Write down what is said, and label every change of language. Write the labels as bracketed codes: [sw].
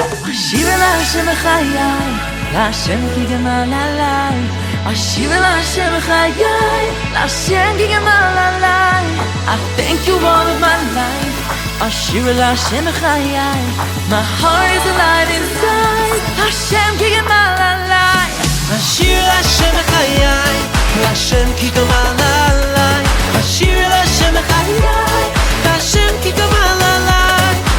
[he] אשיר אל השם חיי, להשם כי גמל עליי. אשיר אל השם חיי, להשם כי גמל עליי. [en] I thank you all of my life. [he] אשיר אל השם חיי, [en] my heart is alive inside. [he] השם כי גמל עליי. אשיר אל השם חיי, להשם כי גמל עליי. אשיר אל השם חיי, להשם כי גמל עליי.